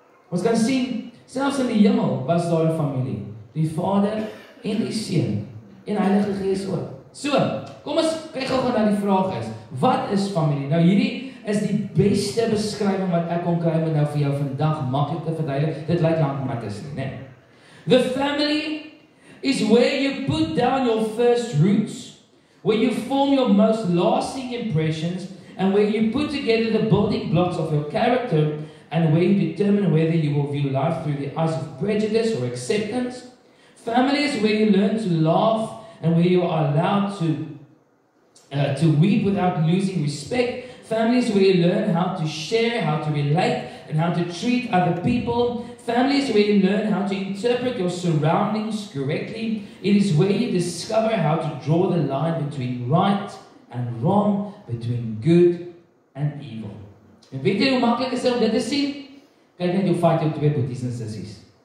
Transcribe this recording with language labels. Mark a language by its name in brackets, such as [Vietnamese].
[Afrikaans] Ons kan sien, selfs in die hemel was daar 'n familie, die Vader en die Seun en Heilige Gees ook. So, kom ons kyk gou-gou na die vraag is, wat is familie? Nou hierdie is die beste beskrywing wat ek kon kry om nou vir jou vandag maklik te verduidelik. Dit lyk lank maar dit is nie, né? [English] The family is where you put down your first roots, where you form your most lasting impressions, and where you put together the building blocks of your character, and where you determine whether you will view life through the eyes of prejudice or acceptance. Family is where you learn to laugh, and where you are allowed to weep without losing respect. Family is where you learn how to share, how to relate, and how to treat other people. Family is where you learn how to interpret your surroundings correctly. It is where you discover how to draw the line between right and wrong, between good and evil. [Afrikaans] En weet jy hoe makkelijk is om dit te sien? Kijk net hoe vaak jou twee boeties en sissies.